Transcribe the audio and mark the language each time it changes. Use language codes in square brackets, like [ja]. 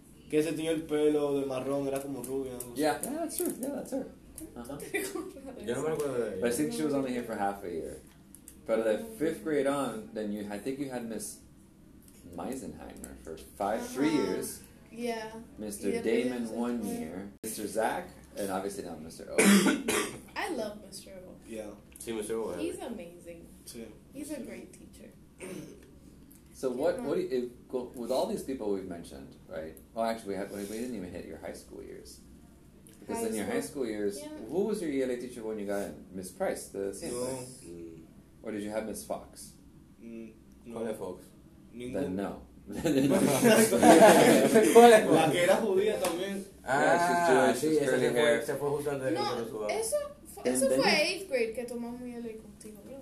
[es] Que ese tenía el pelo de marrón, era como rubia. [en] Yeah, that's her. Uh-huh. But I think she was only here for half a year. But the fifth grade on, then I think you had Miss Meisenheimer for 3 years. Yeah. Mr. Damon 1 year. Mr. Zach, and obviously not Mr. O. I love Mr. O. Yeah. See, Mr. O. He's amazing. Yeah. He's a great teacher. So with all these people we've mentioned, right? Well, actually, we didn't even hit your high school years. Because in your high school years, who was your ELA teacher when you got in? Miss Price, the same. Or did you have Miss Fox? [es] No. ¿Cuál es Fox? Ningún. No. ¿Cuál es Fox? La que era judía también. [en] Ah, yeah, she's Jewish, sí, she's curly hair. [es] Se fue justo antes de que nos subamos. Eso fue 8th grade que tomamos el contigo.